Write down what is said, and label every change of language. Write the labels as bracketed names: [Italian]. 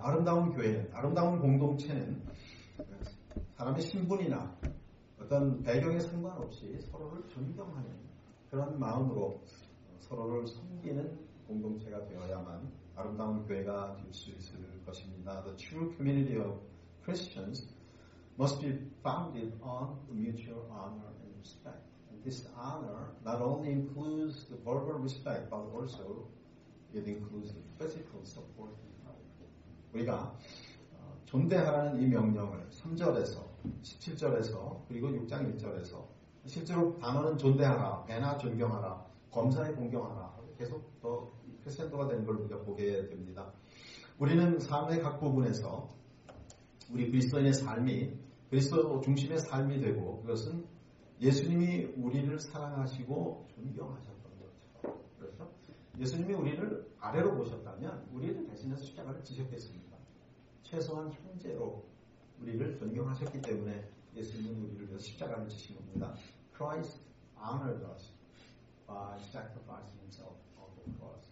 [Korean] 아름다운 교회는, 아름다운 공동체는 사람의 신분이나 어떤 배경에 상관없이 서로를 존경하는 그런 마음으로 서로를 섬기는 공동체가 되어야만 아름다운 교회가 될 수 있을 것입니다. [English] The true community of Christians must be founded on mutual honor and respect. And this honor not only includes the verbal respect, but also it includes the physical support. [Korean] 우리가 존대하라는 이 명령을 3절에서 17절에서 그리고 6장 1절에서 실제로 단어는 존대하라, 배나 존경하라, 검사에 공경하라 계속 더 크레센도가 된 걸 우리가 보게 됩니다. 우리는 삶의 각 부분에서 우리 그리스도인의 삶이 그리스도 중심의 삶이 되고 그것은 예수님이 우리를 사랑하시고 존경하셨던 것처럼 그렇죠? 예수님이 우리를 아래로 보셨다면 우리를 대신해서 십자가를 지셨겠습니까? 최소한 형제로 우리를 존경하셨기 때문에 예수님은 우리를 위해서 십자가를 지신 겁니다. [English] Christ honored us by sacrificing himself on the cross.